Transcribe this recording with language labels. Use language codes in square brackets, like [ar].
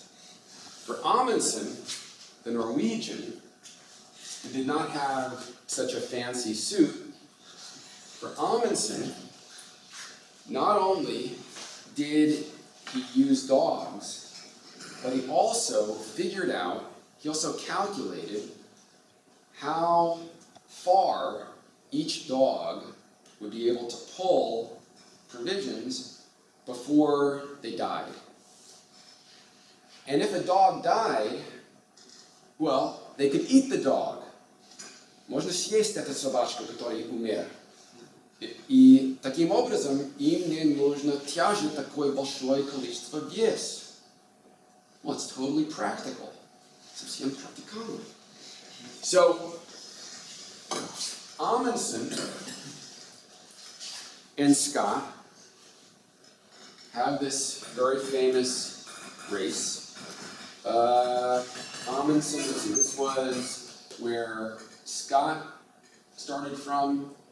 [en] For Amundsen, the Norwegian, who did not have such a fancy suit, for Amundsen, not only did he use dogs, but he also figured out, he also calculated how far each dog would be able to pull provisions before they died. And if a dog died, well, they could eat the dog. [ru] Можно съесть этот собачку, который умер. И таким образом им не нужно тяжить такое большое количество вес. [en] Well, it's totally practical. [ru] Совсем практикально. [en] So, Amundsen and Scott have this very famous race. Amundsen, this was where Scott started from.